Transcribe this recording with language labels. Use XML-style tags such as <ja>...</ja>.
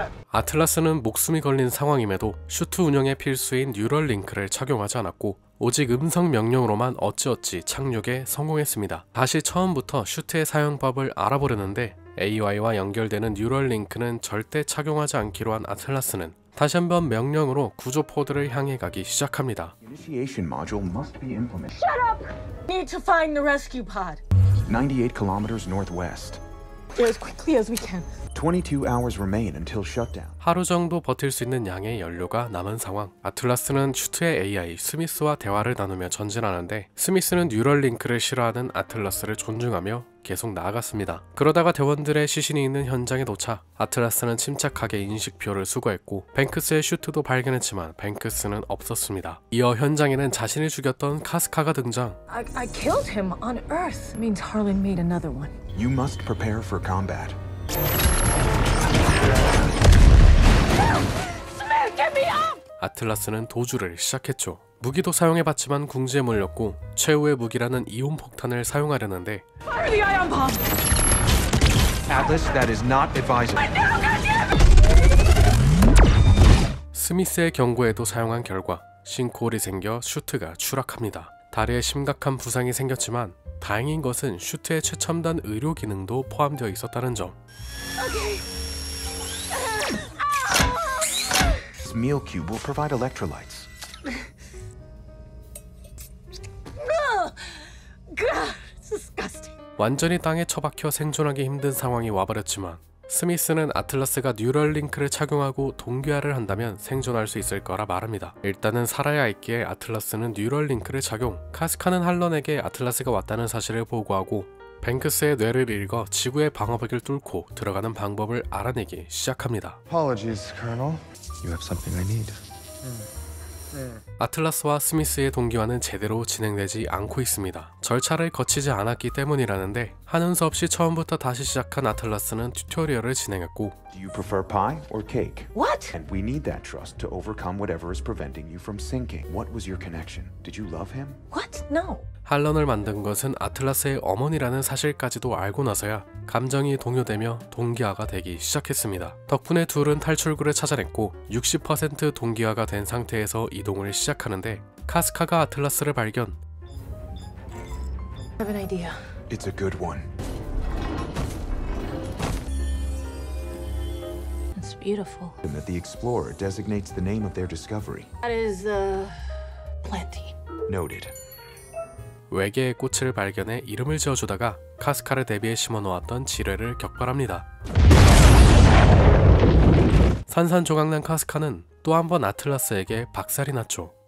<ko>아틀라스는 목숨이 걸린 상황임에도 슈트 운영에 필수인 뉴럴 링크를 착용하지 않았고, 오직 음성 명령으로만 어찌어찌 착륙에 성공했습니다. 다시 처음부터 슈트의 사용법을 알아보려는데, AI와 연결되는 뉴럴 링크는 절대 착용하지 않기로 한 아틀라스는 다시 한번 명령으로 구조 포드를 향해 가기 시작합니다.</ko> <en>Initiation module must be implemented. Shut up! Need to find the rescue pod. 98 kilometers northwest. As quickly as we can. 22 hours remain until shutdown.</en> <ko>하루 정도 버틸 수 있는 양의 연료가 남은 상황. 아틀라스는 슈트의 AI 스미스와 대화를 나누며 전진하는데 스미스는 뉴럴링크를 싫어하는 아틀라스를 존중하며 계속 나아갔습니다. 그러다가 대원들의 시신이 있는 현장에 도착. 아틀라스는 침착하게 인식표를 수거했고 뱅크스의 슈트도 발견했지만 뱅크스는 없었습니다. 이어 현장에는 자신을 죽였던 카스카가 등장.</ko> <en>I killed him on Earth. Means Harlan made another one. You must prepare for combat. Smith, get me up!</en> <ko>아틀라스는 도주를 시작했죠. 무기도 사용해봤지만 궁지에 몰렸고 최후의 무기라는 이온 폭탄을 사용하려는데</ko> <en>Fire the ion bomb! Atlas, that is not advisable. But now, goddammit!</en> <ko>스미스의 경고에도 사용한 결과 싱크홀이 생겨 슈트가 추락합니다. 다리에 심각한 부상이 생겼지만 다행인 것은 슈트의 최첨단 의료 기능도 포함되어 있었다는 점.</ko> <en>Okay. This meal cube will provide electrolytes. God, disgusting.</en> <ko>완전히 땅에 처박혀 생존하기 힘든 상황이 와버렸지만 스미스는 아틀라스가 뉴럴링크를 착용하고 동기화를 한다면 생존할 수 있을 거라 말합니다. 일단은 살아야 했기에 아틀라스는 뉴럴링크를 착용. 카스카는 할런에게 아틀라스가 왔다는 사실을 보고하고 뱅크스의 뇌를 읽어 지구의 방어벽을 뚫고 들어가는 방법을 알아내기 시작합니다.</ko> <en>Apologies, Colonel. You have something I need.</en> <ko>아틀라스와 스미스의 동기화는 제대로 진행되지 않고 있습니다. 절차를 거치지 않았기 때문이라는데 하는 수 없이 처음부터 다시 시작한 아틀라스는 튜토리얼을 진행했고</ko> <en>Do you prefer pie or cake? What? And we need that trust to overcome whatever is preventing you from sinking. What was your connection? Did you love him? What? No.</en> <ko>할런을 만든 것은 아틀라스의 어머니라는 사실까지도 알고 나서야 감정이 동요되며 동기화가 되기 시작했습니다. 덕분에 둘은 탈출구를 찾아냈고 60% 동기화가 된 상태에서 이동을 시작하는데 카스카가 아틀라스를 발견.</ko> <en>I have an idea. It's a good one. It's beautiful. And that the explorer designates the name of their discovery. That is Plenty. Noted.</en> <ko>외계의 꽃을 발견해 이름을 지어주다가 카스카를 대비해 심어놓았던 지뢰를 격발합니다. 산산조각난 카스카는 또 한 번 아틀라스에게 박살이 났죠.</ko>